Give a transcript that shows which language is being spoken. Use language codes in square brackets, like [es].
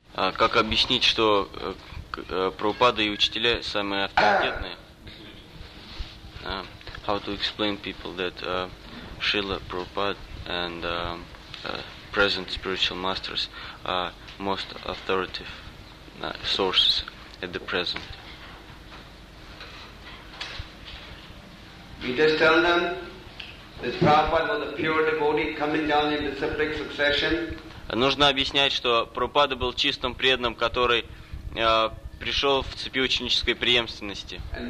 [ru] Как объяснить, что Прабхупада и учителя самые авторитетные? [en] How to explain people that Srila Prabhupada and present spiritual masters are most authoritative sources at the present? You just tell them that Prabhupada was a pure devotee coming down in disciplic succession. [ru] Нужно объяснять, что Прабхупада был чистым преданным, который пришел в цепи ученической преемственности.